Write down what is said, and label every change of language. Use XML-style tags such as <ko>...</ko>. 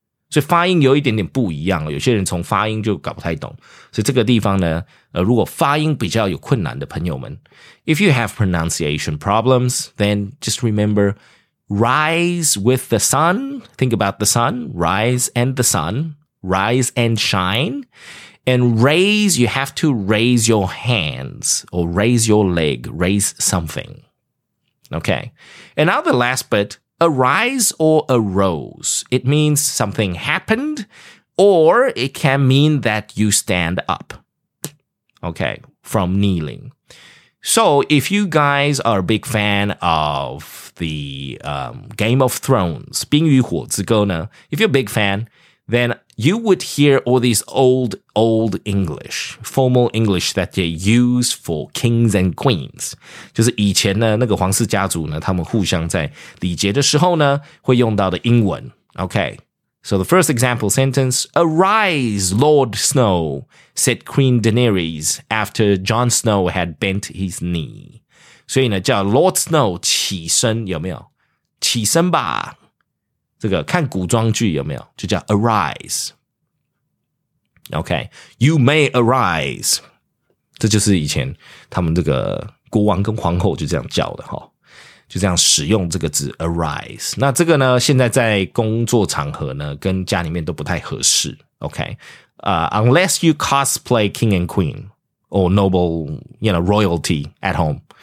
<zh>所以发音有一点点不一样有些人从发音就搞不太懂。所以这个地方呢如果发音比较有困难的朋友们</zh> <en>If you have pronunciation problems Then just remember Rise with the sun Think about the sun Rise and the sun Rise and shine And raise You have to raise your hands Or raise your leg Raise something Okay And now the last bit Arise or arose It means something happened Or it can mean that you stand upOkay, from kneeling. So, if you guys are a big fan of the Game of Thrones, 冰与火之歌呢, if you're a big fan, then you would hear all these old English, formal English that they use for kings and queens.</en> <zh>就是以前呢,那个皇室家族呢,他们互相在礼节的时候呢,会用到的英文。</zh> <en>Okay. So the first example sentence, Arise, Lord Snow, said Queen Daenerys after Jon Snow had bent his knee.</en> <zh>所以呢叫 Lord Snow 起身有没有起身吧这个看古装剧有没有就叫 Arise.</zh> <en>Okay, you may arise.</en> <zh>这就是以前他们这个国王跟皇后就这样叫的齁。就这样使用这个字 arise 那这个呢现在在工作场合呢跟家里面都不太合适 OK、</zh> <en>unless you cosplay king and queen or noble you know royalty at home、</en>